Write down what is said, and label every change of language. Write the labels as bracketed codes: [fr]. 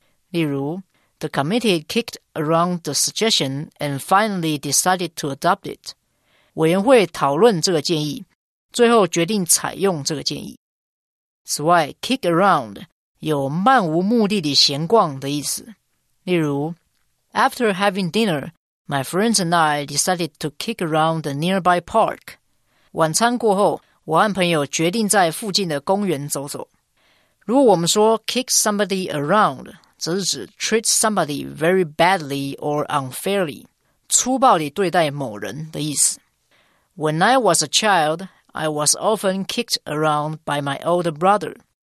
[zh] 例如 [en] ，The committee kicked around the suggestion and finally decided to adopt it。 [zh] 委员会讨论这个建议，最后决定采用这个建议。此外 ，kick around 有漫无目的地闲逛的意思。例如 [en] ，After having dinner, my friends and I decided to kick around the nearby park。 [zh] 晚餐过后，我和朋友决定在附近的公园走走。如果我们说 [en] kick somebody around。 [zh] 则是指 [en] treat somebody very badly or unfairly， [zh] 粗暴地对待某人的意思。 [en] When I was a child, I was often kicked around by my older brother。